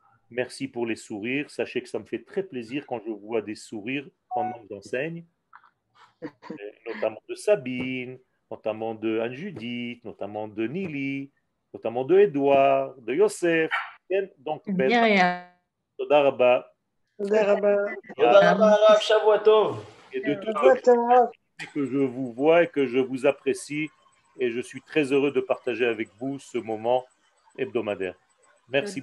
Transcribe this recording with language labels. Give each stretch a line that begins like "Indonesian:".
French: Merci pour les sourires. Sachez que ça me fait très plaisir quand je vois des sourires pendant que j'enseigne, notamment de Sabine, notamment de Anne-Judith, notamment de Nili, notamment de Edouard, de Yosef.
Hebrew: Donc, תודה רבה. תודה רבה. תודה רבה הרב, שבוע טוב.
French: Et de tout ce que je vous vois et que je vous apprécie et je suis très heureux de partager avec vous ce moment hebdomadaire. Merci